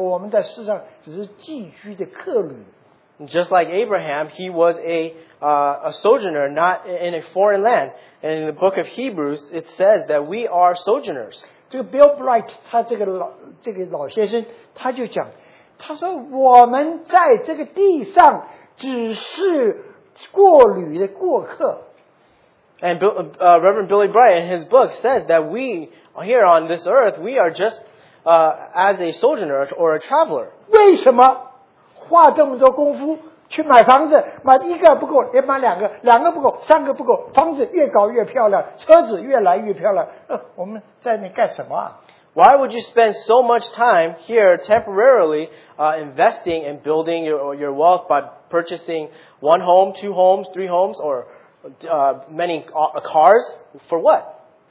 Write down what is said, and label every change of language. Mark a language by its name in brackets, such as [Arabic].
[Chinese] 他知道他是这是寄居之地，在希伯来书里面讲的，我们在世上只是寄居的客旅。 [English] Just like Abraham, he was a sojourner, not in a foreign land. And in the book of Hebrews, it says that we are sojourners. [Chinese] 这个 Bill Bright, 他这个老先生，他就讲，他说我们在这个地上只是过旅的过客。 [English] And Reverend Billy Bright in his book says that we here on this earth, we are just as a sojourner or a traveler. [Chinese] 为什么花这么多功夫去买房子，买一个不够，也买两个，两个不够，三个不够，房子越搞越漂亮，车子越来越漂亮，我们在那干什么啊？ [English] Why would you spend so much time here temporarily investing and building your wealth by purchasing one home, two homes, three homes, or many cars for what?